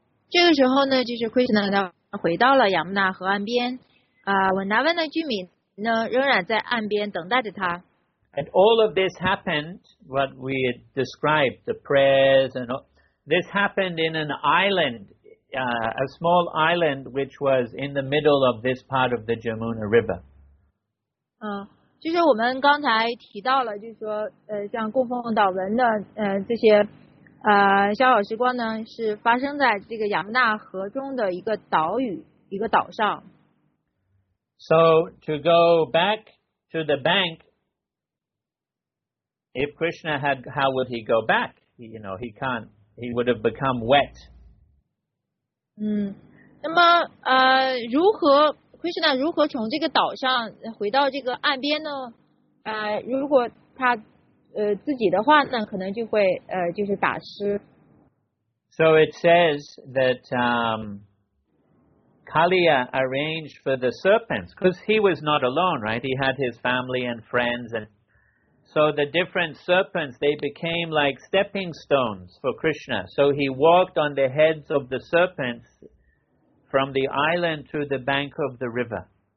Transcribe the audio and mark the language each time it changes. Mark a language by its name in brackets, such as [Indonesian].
[Chinese] 这个时候呢，就是 Krishna 回到了亚穆纳河岸边，Vrindavan 的居民呢仍然在岸边等待着他。 [English] And all of this happened, what we had described, the prayers, and all, this happened in an island, a small island which was in the middle of this part of the Jamuna River. [Chinese] 就是我们刚才提到了，就是说，像供奉祷文的，这些，逍遥时光呢，是发生在这个亚穆纳河中的一个岛屿，一个岛上。 [English] So to go back to the bank, if Krishna had, how would he go back? You know, he can't. He would have become wet. [Chinese] 那么，如何？Krishna 如何从这个岛上回到这个岸边呢？如果他自己的话呢，可能就会就是打湿。 [English] So it says that Kaliya arranged for the serpents, because he was not alone, right? He had his family and friends, and So the different serpents, they became like stepping stones for Krishna. So he walked on the heads of the serpents from the island to the bank of the river.